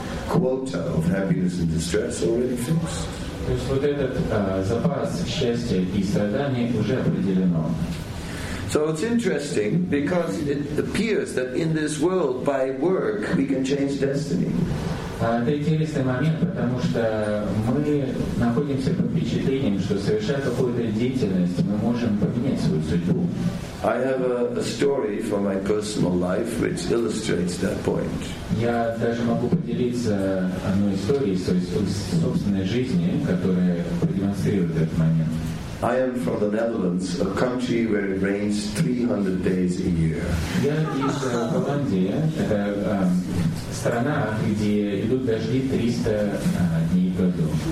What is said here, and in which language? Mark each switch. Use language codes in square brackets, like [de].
[en] Quota of happiness and distress already fixed. [ru] То есть вот этот запас счастья и страданий уже определено. [en] So it's interesting because it appears that in this world by work we can change destiny. [ru] Это интересный момент, потому что мы находимся под впечатлением, что совершая какую-то деятельность, мы можем поменять свою судьбу. [en] I have a story from my personal life which illustrates that point. [ru] Я даже могу поделиться одной историей из собственной жизни, которая продемонстрирует этот момент. [en] I am from the Netherlands, a country where it rains 300 days a year. [ru] Я из Голландии, это страна, где идут дожди 300 дней в году.